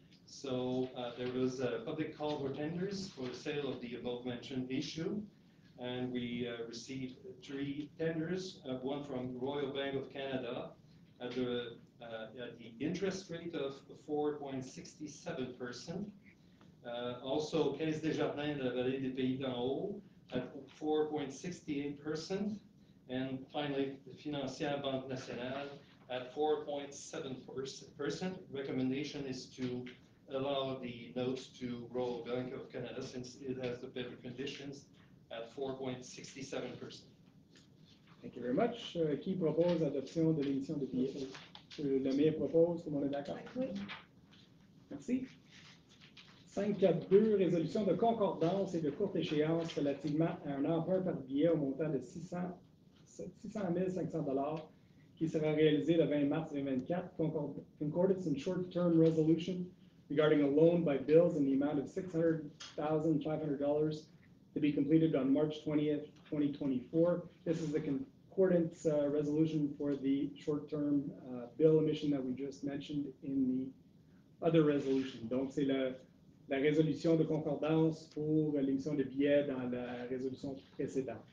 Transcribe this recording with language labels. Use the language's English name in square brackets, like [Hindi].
[English] So there was a public call for tenders for the sale of the above mentioned issue, and we received three tenders, one from Royal Bank of Canada at the interest rate of 4.67%. Also, Caisse des Jardins de la Vallée des Pays d'en haut at 4.68%. And finally, the Financière Banque Nationale at 4.7%. Recommendation is to allow the notes to Royal Bank of Canada since it has the better conditions at 4.67%. Thank you very much. [French] Qui propose l'adoption de l'émission de billets? Le maire propose, tout le monde est d'accord? Oui. Merci. 5.4.2, résolution de concordance et de courte échéance relativement à un emprunt par billet au montant de 600 500 $. Qui sera réalisé le 20 mars 2024, [English] concordance and short-term resolution regarding a loan by bills in the amount of $600,500 to be completed on March 20th, 2024. This is the concordance resolution for the short-term bill emission that we just mentioned in the other resolution. [French] Donc, c'est la résolution de concordance pour l'émission de billets dans la résolution précédente.